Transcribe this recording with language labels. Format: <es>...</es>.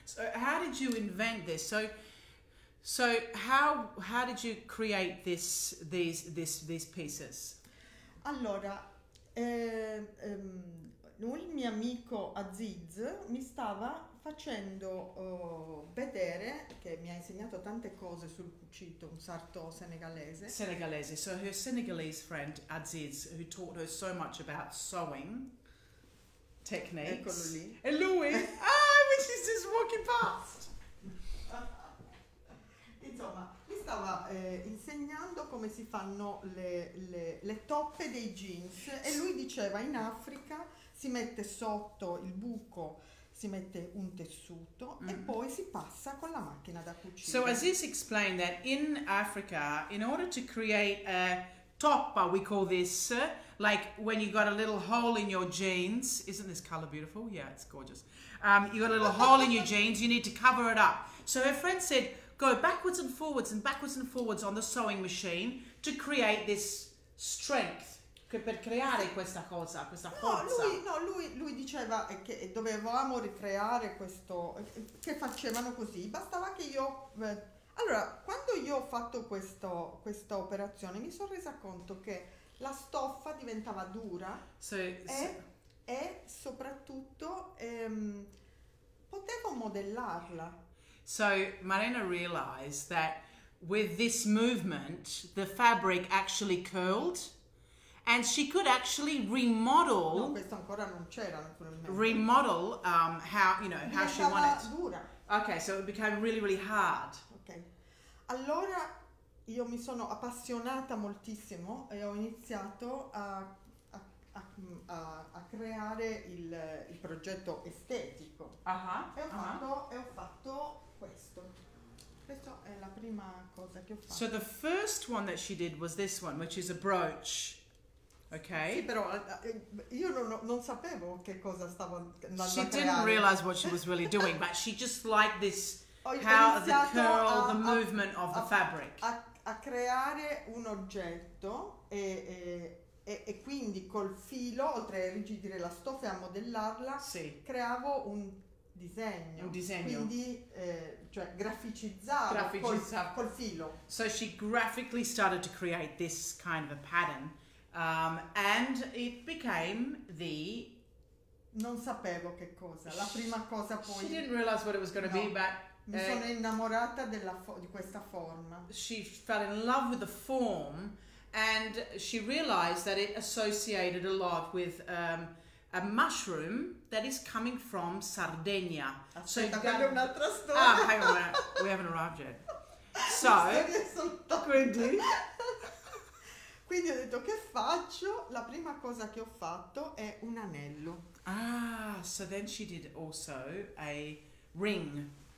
<en>So how did you invent this? So how did you create these pieces?</en> <it>Allora, il mio amico Aziz mi stava facendo vedere, che mi ha insegnato tante cose sul cucito, un sarto senegalese. Senegalese.</it> <en>So her Senegalese friend Aziz, who taught her so much about sewing techniques.</en> <it>Eccolo lì. E lui?</it> <en>Ah, she's just walking past.</en> <it>Insomma, mi stava insegnando come si fanno le toppe dei jeans. E lui diceva, in Africa si mette sotto il buco, si mette un tessuto, mm-hmm. e poi si passa con la macchina da cucire.</it> <en>So Aziz explained that in Africa, in order to create a toppa, we call this, like when you got a little hole in your jeans. Isn't this color beautiful? Yeah, it's gorgeous. You got a little hole in your jeans, you need to cover it up. So her friend said, go backwards and forwards and backwards and forwards on the sewing machine to create this strength,</en> <it>per creare questa cosa, questa forza. Lui diceva che dovevamo ricreare questo, che facevano così, bastava che io... Allora, quando io ho fatto questa operazione, mi sono resa conto che la stoffa diventava dura e soprattutto potevo modellarla.</it> <en>So Marina realized that with this movement, the fabric actually curled and she could actually remodel.</en> <it>No, questo ancora non c'era, naturalmente.</it> <en>Remodel how, you know, how she wanted.</en> <it>Diventava dura.</it> <en>Okay, so it became really, really hard. Okay.</en> <it>Allora io mi sono appassionata moltissimo e ho iniziato a creare il progetto estetico. E ho fatto questo. Questa è la prima cosa che ho fatto.</it> <en>So the first one that she did was this one, which is a brooch. Okay.</en> <it>Sì, però io non sapevo che cosa stavo andando a creare.</it> <en>She didn't realize what she was really doing, but she just liked this. How the curl, the movement of the fabric.</en> <it>A creare un oggetto e quindi col filo, oltre a irrigidire la stoffa e a modellarla, sì, creavo un disegno. Un disegno. Quindi, cioè, graficizzavo col filo.</it> <en>So she graphically started to create this kind of a pattern, and it became the...</en> <it>Non sapevo che cosa. La prima cosa poi...</it> <en>She didn't realize what it was going to be, but...</en> <it>Mi sono innamorata di questa forma.</it> <en>She fell in love with the form and she realized that it associated a lot with a mushroom that is coming from Sardegna.</en> <it>Aspetta, quella è un'altra storia. Ah,</it> <en>hang on a minute. We haven't arrived yet. So,</en> <it>quindi ho detto, che faccio? La prima cosa che ho fatto è un anello.</it> <en>Ah, so then she did also a ring.</en>